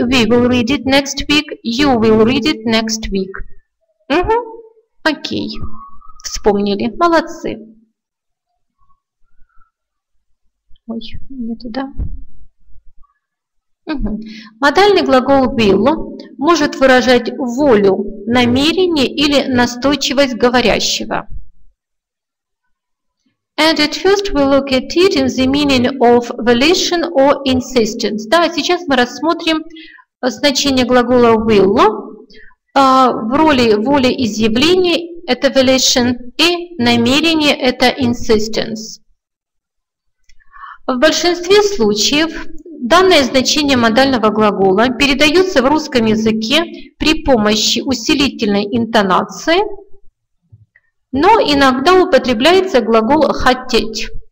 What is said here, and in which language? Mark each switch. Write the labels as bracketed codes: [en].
[en] We will read it next week. You will read it next week. [ru] Угу. Окей. Вспомнили. Молодцы. Ой, не туда. Угу. Модальный глагол will может выражать волю, намерение или настойчивость говорящего. [en] And at first we look at it in the meaning of volition or insistence. [ru] Да, сейчас мы рассмотрим значение глагола will в роли воли изъявления. Это volition, и намерение – это insistence. В большинстве случаев данное значение модального глагола передается в русском языке при помощи усилительной интонации, но иногда употребляется глагол «хотеть».